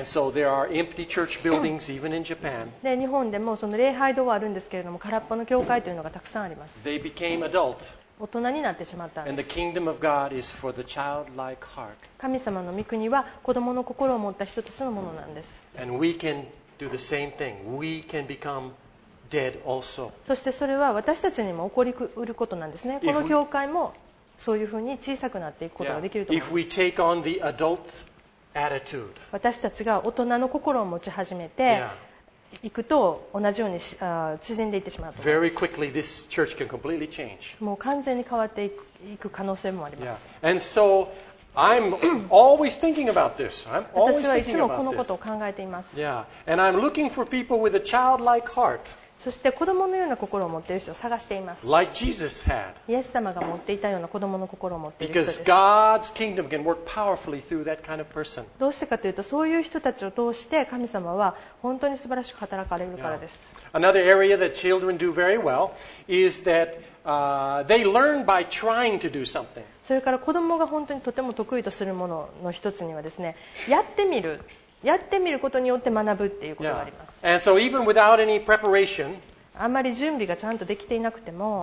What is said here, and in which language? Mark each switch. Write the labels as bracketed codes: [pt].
[en] And so there are empty church buildings even in Japan. [ja] で、日本でもその礼拝堂はあるんですけれども、空っぽの教会というのがたくさんあります。 [en] They became adult. [ja] 大人になってしまったんです。 [en] And the kingdom of God is for the childlike heart. [ja] 神様の御国は子どもの心を持った人たちのものなんです。 [en] And we can do the same thing. We can becomeDead also. [ja] そしてそれは私たちにも起こりうることなんですね。この教会もそういうふうに小さくなっていくことができると思います。 [en] If we take on the adult attitude, [ja] 私たちが大人の心を持ち始めて、行くと同じように縮んでいってしまう。 [en] Very quickly, this church can completely change. [ja] もう完全に変わっていく可能性もあります。 [en] Yeah. And so I'm always thinking about this. I'm always thinking about this. [ja] 私はいつもこのことを考えています。 [en] Yeah. And I'm looking for people with a childlike heart. [ja] そして子供のような心を持っている人を探しています。 [en] Like Jesus had. [ja] イエス様が持っていたような子供の心を持っている人です。 [en] Because God's kingdom can work powerfully through that kind of person. [ja] どうしてかというと、そういう人たちを通して神様は本当に素晴らしく働かれるからです。 [en] Yeah. Another area that children do very well is that they learn by trying to do something. [ja] それから子供が本当にとても得意とするものの一つにはですね、やってみる、やってみることによって学ぶっていうことがあります。 [en] Yeah. And so even without any preparation, [ja] あまり準備がちゃんとできていなくても、